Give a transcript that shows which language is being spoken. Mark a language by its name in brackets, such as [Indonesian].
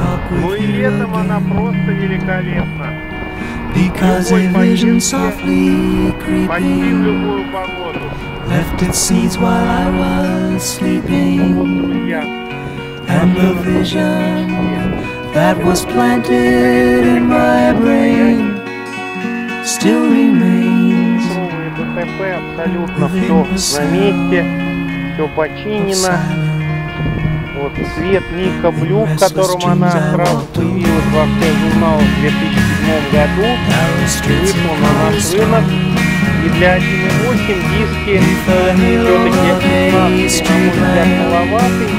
[Russian] Ну и летом она просто великолепна. [English] Because a vision softly creeping left its seeds while I was sleeping, and the vision that was planted in my brain still remains. [Russian] Абсолютно все на месте, все починено. Вот цвет Ника Блю, в котором она сразу появилась во всех журналах в 2007 году, вышла на наш рынок. И для 7.8 диски все-таки 15, на мой взгляд, маловатый.